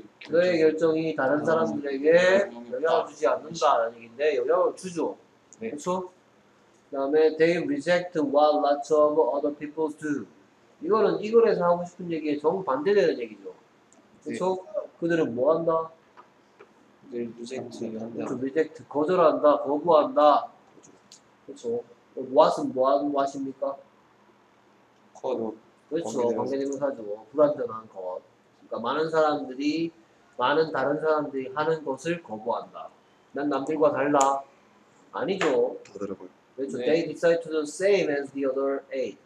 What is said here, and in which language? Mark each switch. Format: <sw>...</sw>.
<ko>너의 결정이 다른 사람들에게 영향을 주지 않는다라는 얘기인데 영향을 주죠. 네. 그렇죠?</ko> <en>그 다음에 they reject what lots of other people do.</en> <ko>이거는 이글에서 하고 싶은 얘기에 정반대되는 얘기죠. 그래서 네. 그들은 뭐 한다? 늘 reject 한다. 그 reject, 거절한다, 거부한다. 그렇죠. what은 뭐하는 what입니까? 그렇죠. 관계대명사죠. 불완전한 것. 그러니까 많은 사람들이, 많은 다른 사람들이 하는 것을 거부한다. 난 남들과 달라. 아니죠. 그렇죠. 네.</ko> <en>They decide to do the same as the other eight.</en>